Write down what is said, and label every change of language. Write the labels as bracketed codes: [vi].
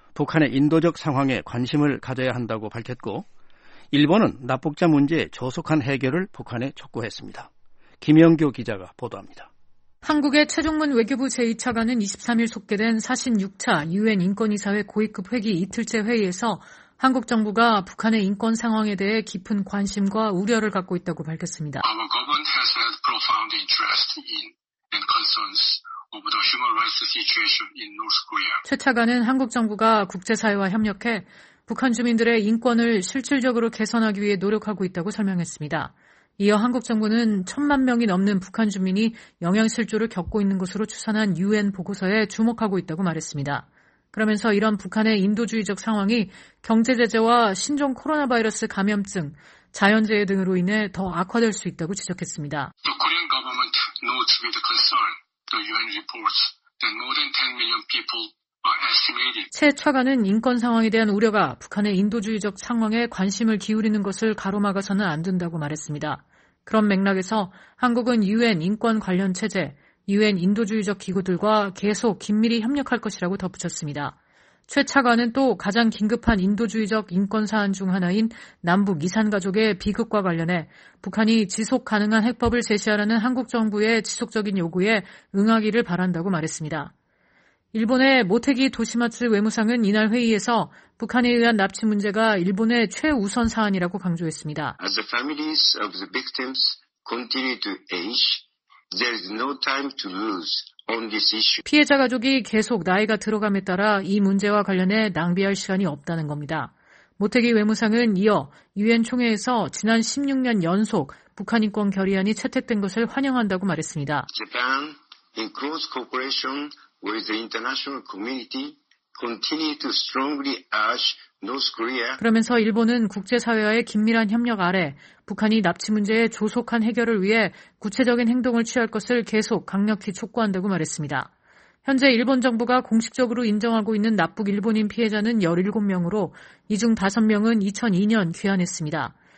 [ko] 북한의 인도적 상황에 관심을 가져야 한다고 밝혔고 일본은 납북자 문제의 조속한 해결을 북한에 촉구했습니다. 김영교 기자가 보도합니다. 한국의 최종문 외교부 제2차관은 23일 속개된 46차 유엔 인권이사회 고위급 회기 이틀째 회의에서 한국 정부가 북한의 인권 상황에 대해 깊은 관심과 우려를 갖고 있다고 밝혔습니다. [en] Our government has had profound interest in and concerns of the human rights situation in North Korea. [ko] 최 차관은 한국 정부가 국제사회와 협력해 북한 주민들의 인권을 실질적으로 개선하기 위해 노력하고 있다고 설명했습니다. 이어 한국 정부는 천만 명이 넘는 북한 주민이 영양실조를 겪고 있는 것으로 추산한 UN 보고서에 주목하고 있다고 말했습니다. 그러면서 이런 북한의 인도주의적 상황이 경제제재와 신종 코로나 바이러스 감염증, 자연재해 등으로 인해 더 악화될 수 있다고 지적했습니다. [en] The Korean government notes with concern the UN reports that more than 10 million people [ko] 최 차관은 인권 상황에 대한 우려가 북한의 인도주의적 상황에 관심을 기울이는 것을 가로막아서는 안 된다고 말했습니다. 그런 맥락에서 한국은 UN 인권 관련 체제, UN 인도주의적 기구들과 계속 긴밀히 협력할 것이라고 덧붙였습니다. 최 차관은 또 가장 긴급한 인도주의적 인권 사안 중 하나인 남북 이산가족의 비극과 관련해 북한이 지속 가능한 해법을 제시하라는 한국 정부의 지속적인 요구에 응하기를 바란다고 말했습니다. 일본의 모테기 도시마츠 외무상은 이날 회의에서 북한에 의한 납치 문제가 일본의 최우선 사안이라고 강조했습니다. [en] As the families of the victims continue to age, there is no time to lose on this issue. [ko] 피해자 가족이 계속 나이가 들어감에 따라 이 문제와 관련해 낭비할 시간이 없다는 겁니다. 모테기 외무상은 이어 유엔 총회에서 지난 16년 연속 북한 인권 결의안이 채택된 것을 환영한다고 말했습니다. [en] Japan in close cooperation with the international community continue to strongly urge North Korea. [ko] 그러면서 일본은 국제사회와의 긴밀한 협력 아래 북한이 납치 문제의 조속한 해결을 위해 구체적인 행동을 취할 것을 계속 강력히 촉구한다고 말했습니다. 현재 일본 정부가 공식적으로 인정하고 있는 납북 일본인 피해자는 17명으로 이 중 5명은 2002년 귀환했습니다.